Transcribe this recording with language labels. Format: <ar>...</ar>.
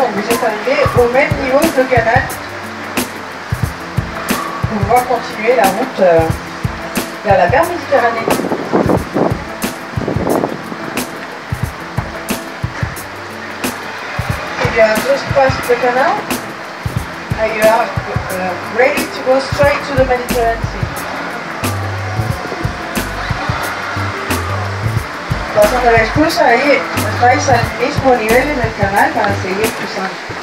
<fr>étalé au même niveau de canal pour pouvoir continuer la route vers la mer Méditerranée. Il y a deux passes de canal.</fr> <en>And you are ready to go straight to the Mediterranean Sea.</en> <es>Pasando la esclusa ahí, estáis al mismo nivel en el canal para seguir cruzando.</es>